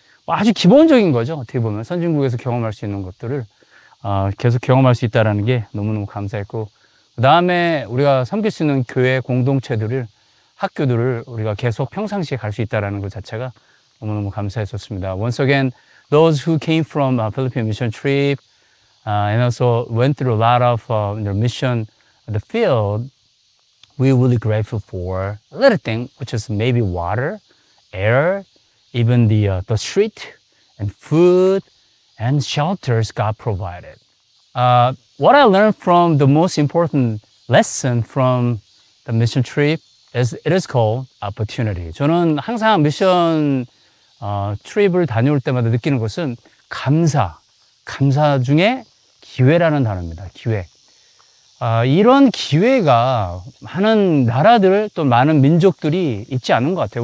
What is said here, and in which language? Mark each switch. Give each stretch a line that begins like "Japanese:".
Korean: 아주 기본적인 거죠. 어떻게 보면. 선진국에서 경험할 수 있는 것들을 계속 경험할 수 있다는 게 너무너무 감사했고. 그 다음에 우리가 섬길 수 있는 교회 공동체들을, 학교들을 우리가 계속 평상시에 갈 수 있다는 것 자체가 너무너무 감사했었습니다.
English: Once again, those who came from a Philippine mission trip and also went through a lot of their mission in the field, we are really grateful for a little thing, which is maybe water, air, even the street, and food, and shelters God provided. What I learned from the most important lesson from the mission trip is it is called opportunity.
Korean: 저는 항상 mission 트립을 다녀올 때마다 느끼는 것은 감사 중에 기회라는 단어입니다. 기회. 이런 기회가 많은 나라들 또 많은 민족들이 있지 않은 것 같아요.